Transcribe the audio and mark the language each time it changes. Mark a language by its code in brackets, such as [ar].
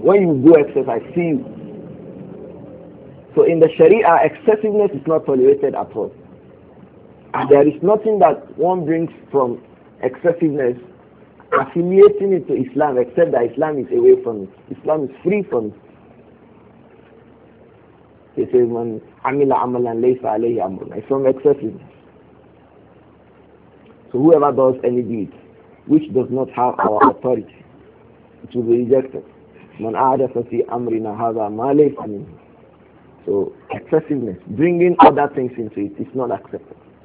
[en] When you go excess, I see you. So in the Sharia, excessiveness is not tolerated at all. And there is nothing that one brings from excessiveness affiliating it to Islam, except that Islam is away from it. Islam is free from it. He says, [ar] مَنْ عَمِلَ عَمَلًا لَيْسَ عَلَيْهِ أَمْرُنَا. [en] It's from excessiveness. So whoever does any deed which does not have our authority, it will be rejected. [ar] مَنْ أَعْدَثَ فِي أَمْرِنَا هَذَا مَا لَيْسَ مِنْهُ. [en] So excessiveness, bringing other things into it, is not accepted.